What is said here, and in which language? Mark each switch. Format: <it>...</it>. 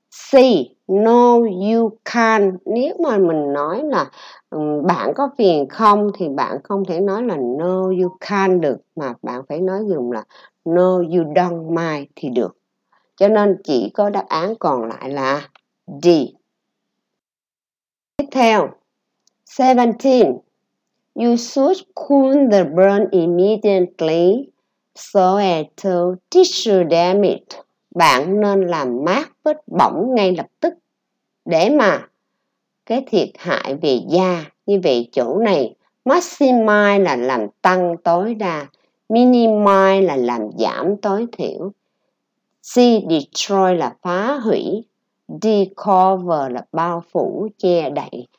<en>C, no you can't.</en> <vi>Nếu mà mình nói là bạn có phiền không thì bạn không thể nói là</vi> <en>no you can't</en> <vi>được, mà bạn phải nói dùng là</vi> <en>no you don't mind</en> <vi>thì được. Cho nên chỉ có đáp án còn lại là D. Tiếp theo. 17.</vi> <en>You should cool the burn immediately so as to tissue damage.</en> <vi>Bạn nên làm mát vết bỏng ngay lập tức để mà cái thiệt hại về da. Như vậy chỗ này maximize là làm tăng tối đa, minimize là làm giảm tối thiểu, destroy là phá hủy, decover là bao phủ, che đậy.</vi>